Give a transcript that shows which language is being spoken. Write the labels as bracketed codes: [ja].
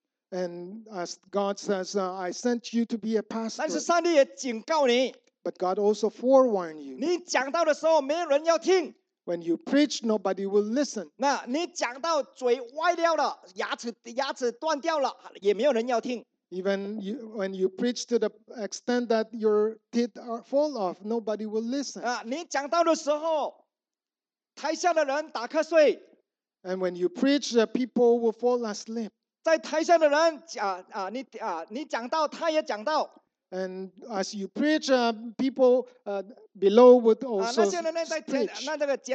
[en] And as God says, I sent you to be a pastor. [zh] 但是上帝也警告你。 [en] But God also forewarned you. [zh] 你讲到的时候，没人要听。 [en] When you preach, nobody will listen. [zh] 那你讲到嘴歪掉了，牙齿断掉了，也没有人要听。 [en] Even you, when you preach to the extent that your teeth are fall off, nobody will listen. [zh] 你讲到的时候。台下的人打瞌睡， [en] and when you preach, the people will fall asleep. [zh] 在台下的人，你讲到，他也讲到。 [en] And as you preach, people below would also preach.